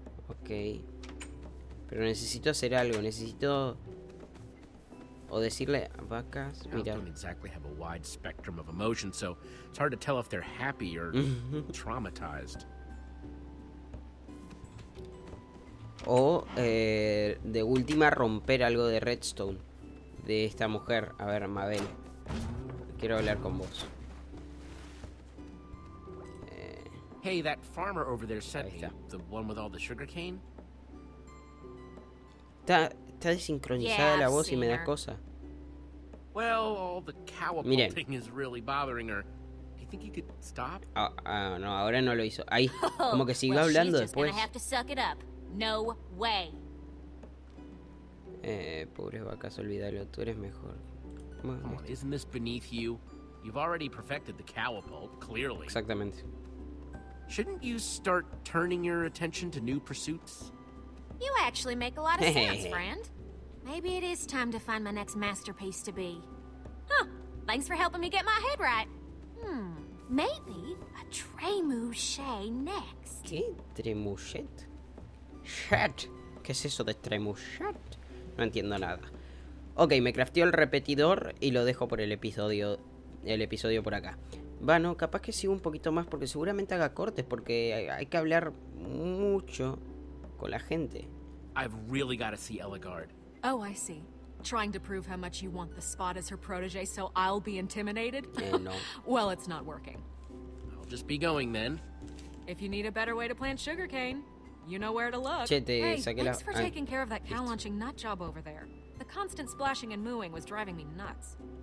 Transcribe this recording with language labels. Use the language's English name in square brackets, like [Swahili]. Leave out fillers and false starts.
[Spanish] Ok. Pero necesito hacer algo, necesito. O decirle a vacas, mira. [English] Don't exactly have a wide spectrum of emotion, so it's hard to tell if they're happy or traumatized. [Spanish] O de última romper algo de redstone de esta mujer. A ver, Mabel, quiero hablar con vos. [English] Hey, that farmer over there sent me, the one with all the sugarcane. [Spanish] Está desincronizada la voz y me da cosa. [English] Well, all the cow thing is really bothering her. Do you think you could stop? [Spanish] No, ahora no lo hizo. Ahí, como que sigue hablando después. [English] Well, she's just gonna have to suck it up. No way. [Spanish] Pobre vacas, olvídalo. Tú eres mejor. [English] Come on, isn't this beneath you? You've already perfected the cowpult, clearly. [Spanish] Exactamente. [English] Shouldn't you start turning your attention to new pursuits? You actually make a lot of sense, friend. Maybe it is time to find my next masterpiece to be. Huh, thanks for helping me get my head right. Maybe a trebuchet next. [Spanish] ¿Qué? ¿Trebuchet? [English] ¡Shit! [Spanish] ¿Qué es eso de trebuchet? No entiendo nada. Ok, me crafteo el repetidor y lo dejo por el episodio por acá. Bueno, capaz que sigo un poquito más porque seguramente haga cortes porque hay que hablar mucho con la gente. [English] I've really got to see Elagard. Oh, I see. Trying to prove how much you want the spot as her protege, so I'll be intimidated? No. Well, it's not working. I'll just be going, then. If you need a better way to plant sugarcane, you know where to look. Hey, thanks for taking care of that cow-launching nut job over there. The constant splashing and mooing was driving me nuts.